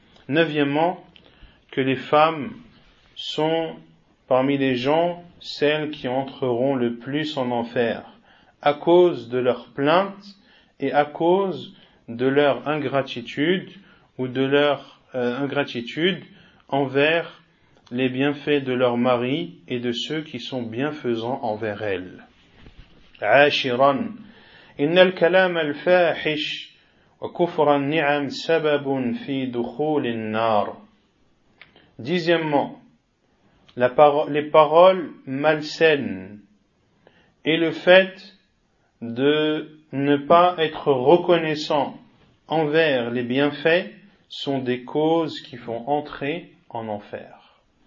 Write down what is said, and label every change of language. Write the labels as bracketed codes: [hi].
[fr] Neuvièmement, que les femmes sont parmi les gens celles qui entreront le plus en enfer à cause de leurs plaintes et à cause de leur ingratitude ou de leur ingratitude envers les bienfaits de leur mari et de ceux qui sont bienfaisants envers elles. [ar] عاشرا إن الكلام الفاحش وكفر النعم سبب في دخول النار. [fr] Dixièmement, les paroles malsaines et le fait de ne pas être reconnaissant envers les bienfaits sont des causes qui font entrer en enfer.